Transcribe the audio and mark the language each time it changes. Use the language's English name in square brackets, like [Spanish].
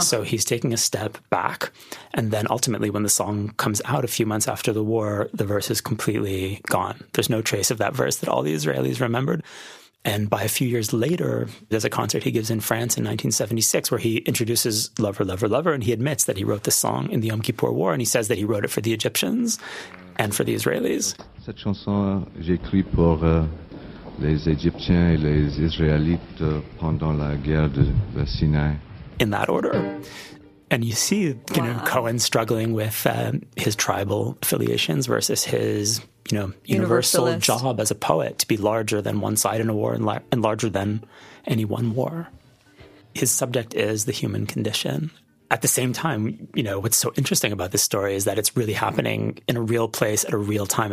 [English] So he's taking a step back. And then ultimately when the song comes out a few months after the war, the verse is completely gone. There's no trace of that verse that all the Israelis remembered. And by a few years later, there's a concert he gives in France in 1976 where he introduces Lover, Lover, Lover, and he admits that he wrote the song in the Yom Kippur War, and he says that he wrote it for the Egyptians and for the Israelis. [French] Cette chanson, j'ai écrit pour les Égyptiens et les Israélites pendant la guerre de la Sinaï. [English] In that order. And you see, you know, Cohen struggling with his tribal affiliations versus his, you know, universal job as a poet to be larger than one side in a war and larger than any one war. His subject is the human condition. At the same time, you know, what's so interesting about this story is that it's really happening in a real place at a real time.